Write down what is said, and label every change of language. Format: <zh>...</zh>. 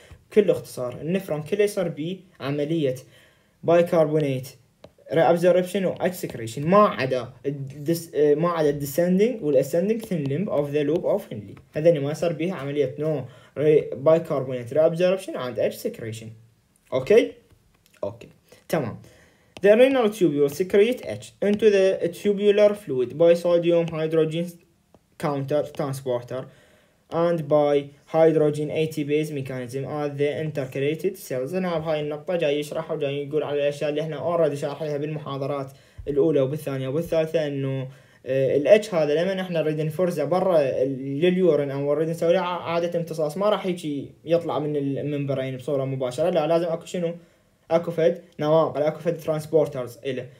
<ar>بكل اختصار النفرون كله يصير بعمليه بايكربونات ري ابزوربشن و اتش سكريشن ما عدا الديسندنج والاسندنج ثين لمب اوف ذا لوب اوف هنلي، هذني ما صار بيها عمليه</ar> <en>نو بايكربونات ري ابزوربشن اند اتش سكريشن</en> <ar>اوكي. اوكي تمام.</ar> <en>The renal tubule secrete H into the tubular fluid by sodium hydrogen counter transporter and by hydrogen ATPase mechanism at the intercalated cells.</en> <ar>أنا بهاي النقطة جاي يشرح وجاي يقول على الأشياء اللي إحنا أوريدي شارحينها بالمحاضرات الأولى وبالثانية وبالثالثة، إنه ال H هذا لما إحنا نريد نفرزه برا لليورين أو نريد نسوي له عادة امتصاص ما راح يجي يطلع من الممبرين بصورة مباشرة، لا لازم أكو شنو؟ اكو فد نواقل، اكو فد ترانسبورترز اله.</ar>